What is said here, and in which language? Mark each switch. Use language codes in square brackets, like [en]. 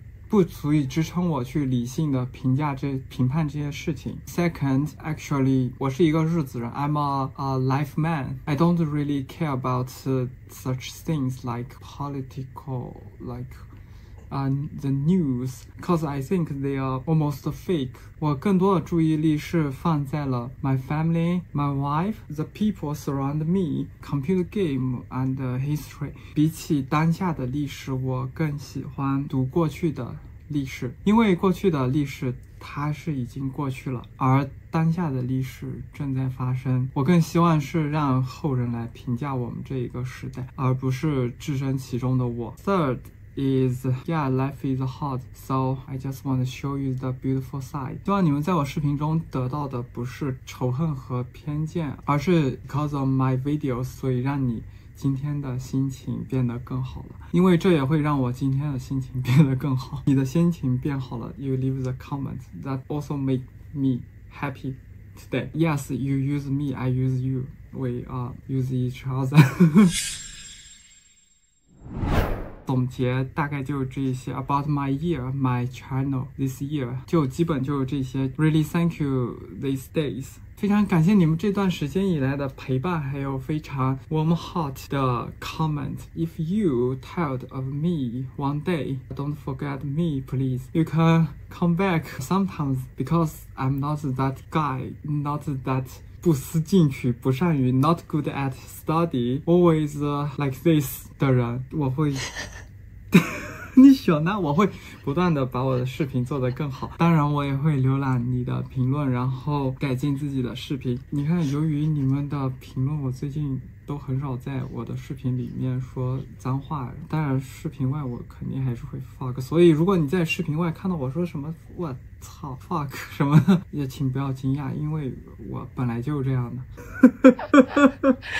[zh] 不足以支撑我去理性的评价这评判这些事情 [en] Second, actually, [zh] 我是一个日子人 [en] I'm a life man I don't really care about such things like political, like on the news, because I think they are almost fake. [zh] 我更多的注意力是放在了 [en] my family, my wife, the people surround me, computer game and history. [zh] 比起当下的历史，我更喜欢读过去的历史，因为过去的历史它是已经过去了，而当下的历史正在发生。我更希望是让后人来评价我们这一个时代，而不是置身其中的我。 [en] Third is, yeah, life is hard, so I just want to show you the beautiful side. [zh] 希望你们在我视频中得到的不是仇恨和偏见，而是 [en] because of my videos, [zh] 所以让你今天的心情变得更好了，因为这也会让我今天的心情变得更好。你的心情变好了， [en] you leave the comments that also make me happy today. Yes, you use me, I use you, we use each other. [zh] 总结大概就这些 [en] about my year, my channel this year, [zh] 就基本就这些。 [en] Really thank you these days. [zh] 非常感谢你们这段时间以来的陪伴，还有非常 [en] warm heart [zh] 的 comment. [en] If you tired of me one day, don't forget me, please. You can come back sometimes because I'm not that guy, not that [zh] 不思进取，不善于 [en] not good at study, always like this [zh] 的人。我会你喜欢那我会不断的把我的视频做得更好，当然我也会浏览你的评论，然后改进自己的视频。你看，由于你们的评论，我最近都很少在我的视频里面说脏话，当然视频外我肯定还是会 fuck, 所以如果你在视频外看到我说什么我操 fuck 什么，也请不要惊讶，因为我本来就是这样的。